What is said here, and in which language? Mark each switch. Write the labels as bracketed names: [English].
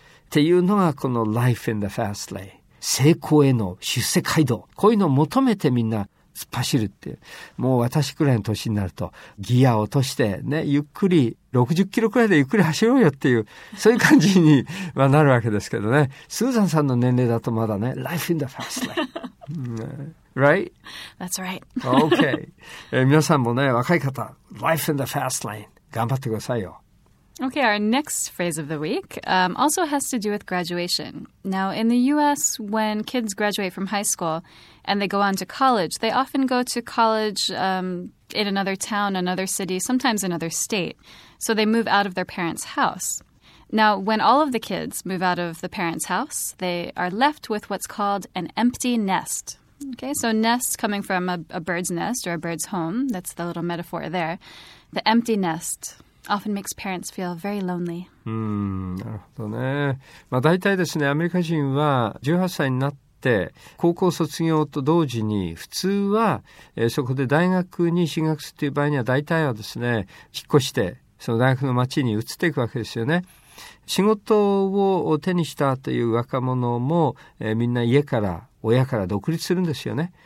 [Japanese] ていうのがこの [English] Life in the Fast Lane、 [Japanese] 成功への出世街道、こういうのを求めてみんな突っ走るって、もう私くらいの年になるとギア落としてね、ゆっくり60キロくらいでゆっくり走ろうよっていう、そういう感じにはなるわけですけどね。スーザンさんの年齢だとまだね、 [English] Life in the Fast Lane Right? That's right. Okay. [Japanese] 皆さんもね、若い方 [English] Life in the Fast Lane [Japanese] 頑張ってくださいよ。 [English] Okay, our next phrase of the week also has to do with graduation. Now, in the U.S., when kids graduate from high school and they go on to college, they often go to college in another town, another city, sometimes another state. So they move out of their parents' house. Now, when all of the kids move out of the parents' house, they are left with what's called an empty nest. Okay, so nest coming from a bird's nest or a bird's home. That's the little metaphor there. The empty nest often makes parents feel very lonely. [Japanese] なるほどね。まあ大体ですね、アメリカ人は18歳になって高校卒業と同時に、普通は、そこで大学に進学するという場合には大体はですね、引っ越してその大学の町に移っていくわけですよね。仕事を手にしたという若者も、みんな家から親から独立するんですよね。